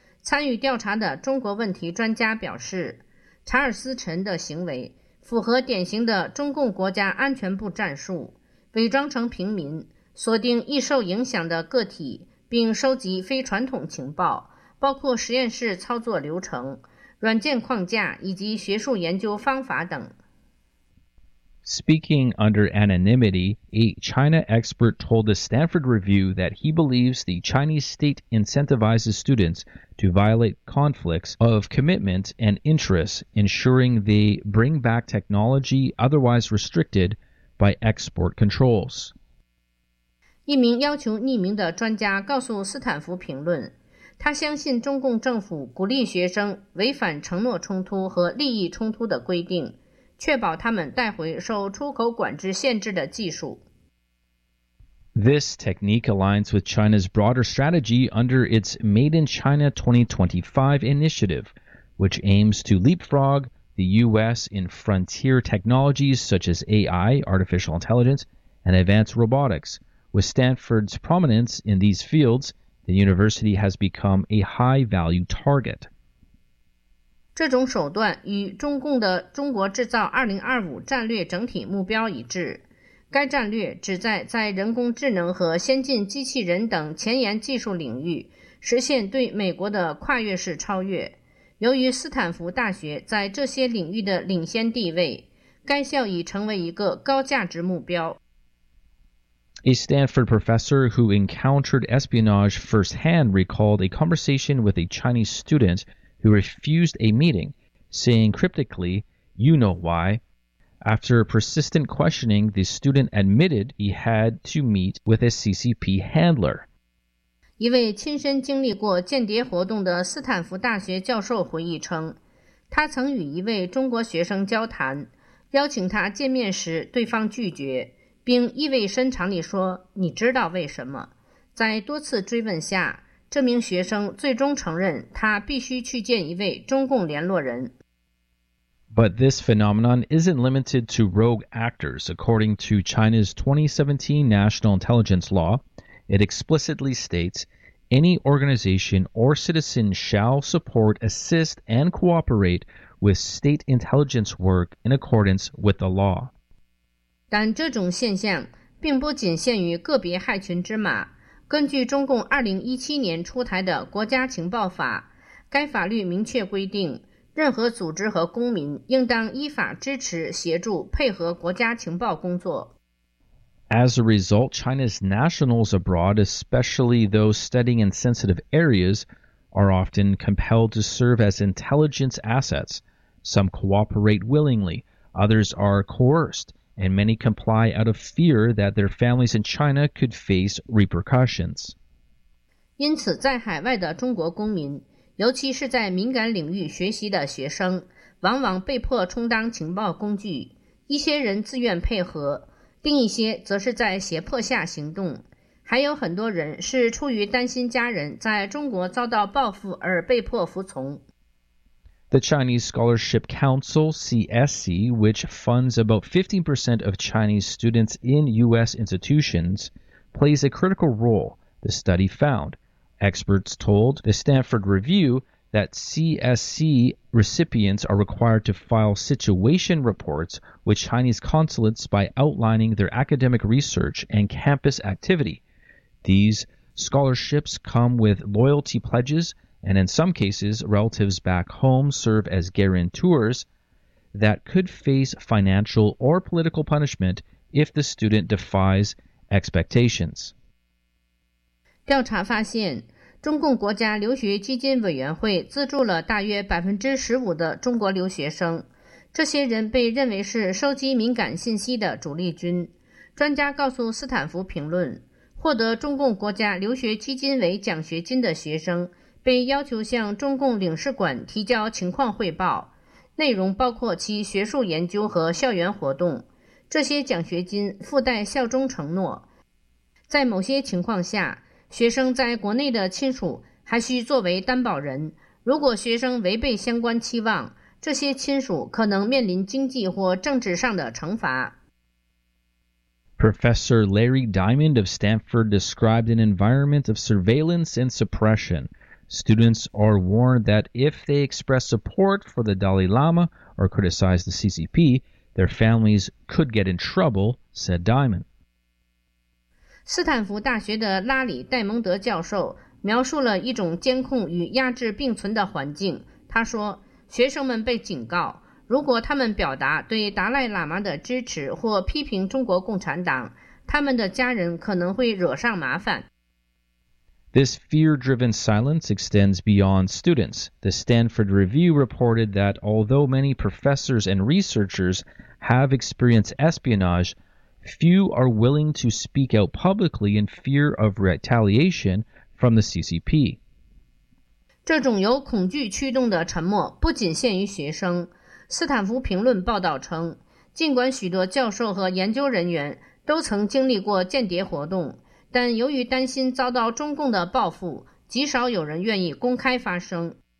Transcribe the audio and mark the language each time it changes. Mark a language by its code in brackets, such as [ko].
[zh] 参与调查的中国问题专家表示，查尔斯·陈的行为符合典型的中共国家安全部战术，伪装成平民，锁定易受影响的个体，并收集非传统情报，包括实验室操作流程、软件框架以及学术研究方法等。 [en] Speaking under anonymity, a China expert told the Stanford Review that he believes the Chinese state incentivizes students to violate conflicts of commitment and interests, ensuring they bring back technology otherwise restricted by export controls. [zh] 一名要求匿名的专家告诉斯坦福评论，他相信中共政府鼓励学生违反承诺冲突和利益冲突的规定，确保他们带回受出口管制限制的技术。 [en] This technique aligns with China's broader strategy under its Made in China 2025 initiative, which aims to leapfrog the U.S. in frontier technologies such as AI, artificial intelligence, and advanced robotics. With Stanford's prominence in these fields, the university has become a high-value target. [zh] 这种手段与中共的中国制造2025战略整体目标一致。该战略旨在人工智能和先进机器人等前沿技术领域实现对美国的跨越式超越，由于斯坦福大学在这些领域的领先地位，该校已成为一个高价值目标。 [en] A Stanford professor who encountered espionage firsthand recalled a conversation with a Chinese student who refused a meeting, saying cryptically, "You know why." After persistent questioning, the student admitted he had to meet with a CCP handler. [zh] 一位亲身经历过间谍活动的斯坦福大学教授回忆称，他曾与一位中国学生交谈，邀请他见面时，对方拒绝。并意味深长地说，你知道为什么？在多次追问下，这名学生最终承认他必须去见一位中共联络人。 [en] But this phenomenon isn't limited to rogue actors. According to China's 2017 National Intelligence Law, it explicitly states, any organization or citizen shall support, assist, and cooperate with state intelligence work in accordance with the law. [zh] 但这种现象并不仅限于个别害群之马。根据中共2017年出台的国家情报法，该法律明确规定，任何组织和公民应当依法支持、协助、配合国家情报工作。 [en] As a result, China's nationals abroad, especially those studying in sensitive areas, are often compelled to serve as intelligence assets. Some cooperate willingly, others are coerced. And many comply out of fear that their families in China could face repercussions. [zh] 因此，在海外的中国公民，尤其是在敏感领域学习的学生，往往被迫充当情报工具。一些人自愿配合，另一些则是在胁迫下行动。还有很多人是出于担心家人在中国遭到报复而被迫服从。 [en] The Chinese Scholarship Council, CSC, which funds about 15% of Chinese students in U.S. institutions, plays a critical role, the study found. Experts told the Stanford Review that CSC recipients are required to file situation reports with Chinese consulates by outlining their academic research and campus activity. These scholarships come with loyalty pledges,And in some cases, relatives back home serve as guarantors that could face financial or political punishment if the student defies expectations. [zh] 调查发现，中共国家留学基金委员会资助了大约15%的中国留学生。这些人被认为是收集敏感信息的主力军。专家告诉斯坦福评论，获得中共国家留学基金为奖学金的学生。被要求向中共领事馆提交情况汇报，内容包括其学术研究和校园活动。这些奖学金附带效忠承诺。在某些情况下，学生在国内的亲属还需作为担保人。如果学生违背相关期望，这些亲属可能面临经济或政治上的惩罚。 [en] Professor Larry Diamond of Stanford described an environment of surveillance and suppression. Students are warned that if they express support for the Dalai Lama or criticize the CCP, their families could get in trouble, said Diamond. [zh] 斯坦福大学的拉里·戴蒙德教授描述了一种监控与压制并存的环境。他说，学生们被警告，如果他们表达对达赖喇嘛的支持或批评中国共产党，他们的家人可能会惹上麻烦。 [en] This fear-driven silence extends beyond students. The Stanford Review reported that although many professors and researchers have experienced espionage, few are willing to speak out publicly in fear of retaliation from the CCP. [zh] 这种由恐惧驱动的沉默不仅限于学生。斯坦福评论报道称，尽管许多教授和研究人员都曾经历过间谍活动，但由于担心遭到中共的报复，极少有人愿意公开发声。